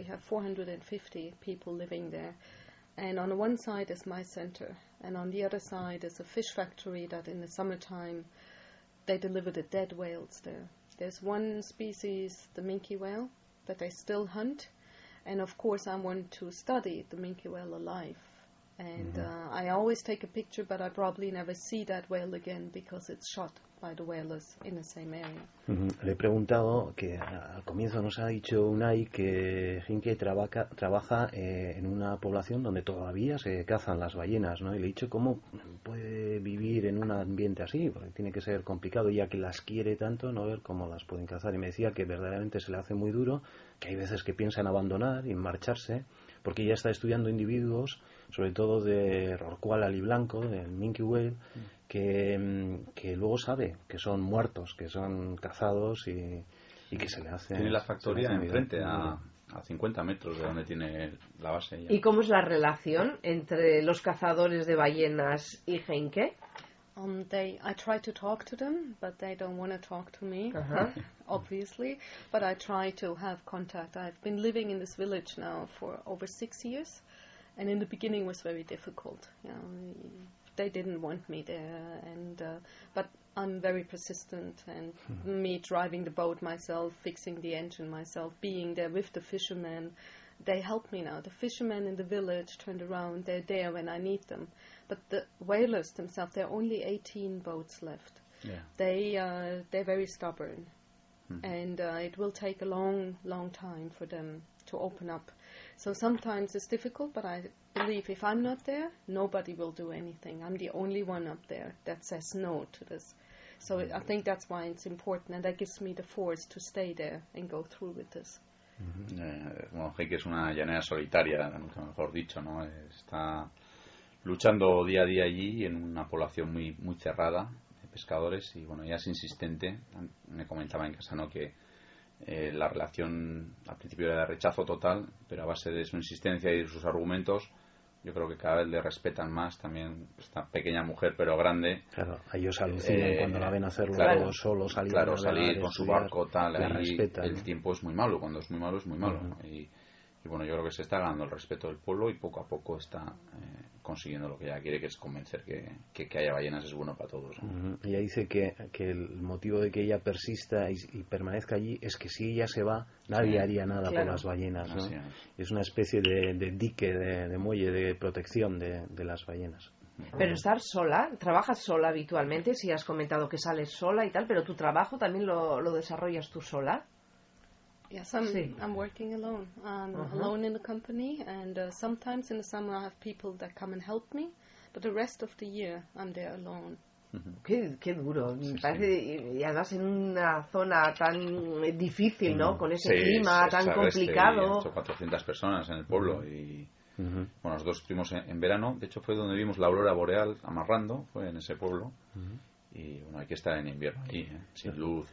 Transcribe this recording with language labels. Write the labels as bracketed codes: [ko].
[en] We have 450 people living there, and on one side is my center, and on the other side is a fish factory that in the summertime they deliver the dead whales there. There's one species, the minke whale, that they still hunt. And, of course, I want to study the minke whale alive. And I always take a picture, but I probably never see that whale again because it's shot by the whalers in the same area. Mm-hmm. [es] Le he preguntado que al comienzo nos ha dicho Unai que Hinke trabaja en una población donde todavía se cazan las ballenas, ¿no? Y le he dicho cómo puede vivir en un ambiente así, porque tiene que ser complicado ya que las quiere tanto, no ver cómo las pueden cazar. Y me decía que verdaderamente se le hace muy duro, que hay veces que piensa en abandonar y en marcharse, porque ya está estudiando individuos, sobre todo de Rorqual aliblanco, del minke whale, que luego sabe que son muertos, que son cazados y que se le hace... Tiene la factoría enfrente, a 50 metros de donde tiene la base. Ya. ¿Y cómo es la relación entre los cazadores de ballenas y Heinke? [en] I try to talk to them, but they don't want to talk to me, obviously. But I try to have contact. I've been living in this village now for over 6 years. And in the beginning was very difficult. You know, they didn't want me there, but I'm very persistent, and me driving the boat myself, fixing the engine myself, being there with the fishermen, they help me now. The fishermen in the village turned around, they're there when I need them. But the whalers themselves, there are only 18 boats left. Yeah. They're very stubborn, and it will take a long, long time for them to open up. So sometimes it's difficult, but I believe if I'm not there, nobody will do anything. I'm the only one up there that says no to this. So I think that's why it's important, and that gives me the force to stay there and go through with this. Mm-hmm. [es] Bueno, Heike es una llanera solitaria, nunca mejor dicho, ¿no? Está luchando día a día allí en una población muy, muy cerrada de pescadores, y bueno, ella es insistente. Me comentaba en casa, ¿no?, que la relación al principio era de rechazo total, pero a base de su insistencia y de sus argumentos, yo creo que cada vez le respetan más también esta pequeña mujer, pero grande. Claro, ellos alucinan cuando la ven hacerlo, claro, solo salir, claro, salir con su barco, tal, y respeta, el tiempo es muy malo, cuando es muy malo, es muy malo. Uh-huh. Y bueno, yo creo que se está ganando el respeto del pueblo y poco a poco está consiguiendo lo que ella quiere, que es convencer que haya ballenas es bueno para todos, ¿no? Uh-huh. Ella dice que el motivo de que ella persista y permanezca allí es que si ella se va, nadie haría nada por las ballenas, ¿no? Es una especie de dique, de muelle, de protección de las ballenas. Pero estar sola, ¿trabajas sola habitualmente? Si has comentado que sales sola y tal, pero tu trabajo también lo desarrollas tú sola. [en] Yes, I'm working alone. I'm alone in the company, and sometimes in the summer I have people that come and help me, but the rest of the year I'm there alone. [es] Qué duro. Sí, parece, y además en una zona tan difícil, ¿no? Con ese clima tan complicado. Sí, 400 personas en el pueblo y bueno, nosotros estuvimos en verano. De hecho, fue donde vimos la aurora boreal amarrando, fue en ese pueblo. Y bueno, hay que estar en invierno aquí, sin luz.